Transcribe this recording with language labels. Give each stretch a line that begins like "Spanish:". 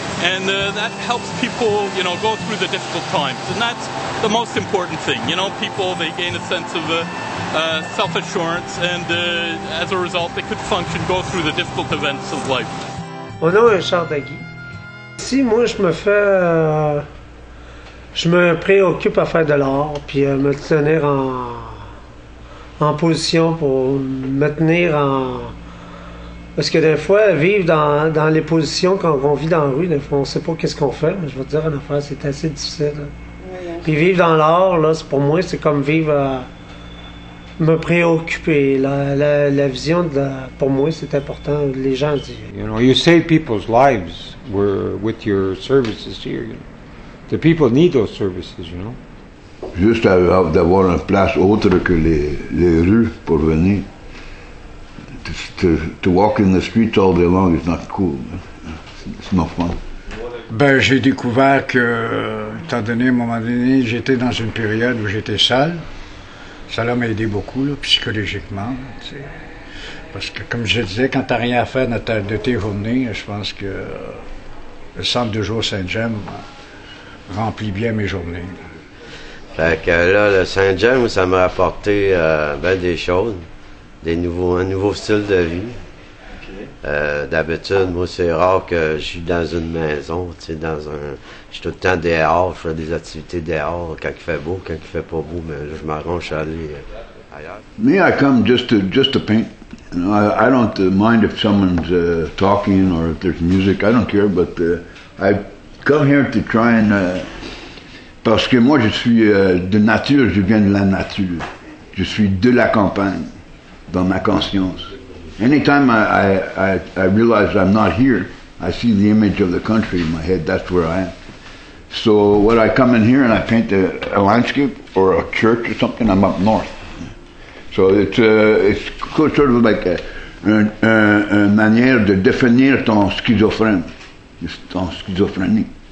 English: And that helps people, you know, go through the difficult times. And that's the most important thing. You know, people, they gain a sense of self-assurance, and as a result, they could function, go through the difficult events of life.
French: Mon nom est Charles Dagui. Si moi, je me fais... je me préoccupe à faire de l'art, puis à me tenir en position pour me tenir en... Parce que des fois, vivre dans les positions quand on vit dans la rue, des fois, on ne sait pas qu'est-ce qu'on fait, mais je vais te dire, en affaire, c'est assez difficile. Oui, puis vivre dans l'art, là, c'est pour moi, c'est comme vivre, me préoccuper. La vision, pour moi, c'est important. Les gens disent.
English: You know, you save people's lives with your services here. You know. The people need those services, you know.
French: Juste d'avoir une place autre que les rues pour venir.
English: To walk in the streets all day long is not cool. It's not fun.
French: Ben, j'ai découvert que, étant donné, à un moment donné, j'étais dans une période où j'étais sale. Ça là, m'a aidé beaucoup, là, psychologiquement. T'sais. Parce que, comme je disais, quand t'as rien à faire de tes journées, je pense que le centre de jour Saint-Jean remplit bien mes journées. Là. Fait que là, le Saint-Jean, ça m'a apporté ben des choses. Un nouveau style de vie. D'habitude, moi, c'est rare que je suis dans une maison, tu sais, je suis tout le temps dehors, je fais des activités dehors, quand il fait beau, quand il fait pas beau, mais là, je m'arrange à aller ailleurs.
English: Me, I come just to paint. You know, I don't mind if someone's talking or if there's music, I don't care, but I come here to try and...
French: parce que moi, je suis de nature, je viens de la nature. Je suis de la campagne. Dans ma conscience.
English: Anytime I realize I'm not here, I see the image of the country in my head, that's where I am. So when I come in here and I paint a landscape or a church or something, I'm up north. So it's sort of like a
French: manière de définir ton schizophrène, ton schizophrénie.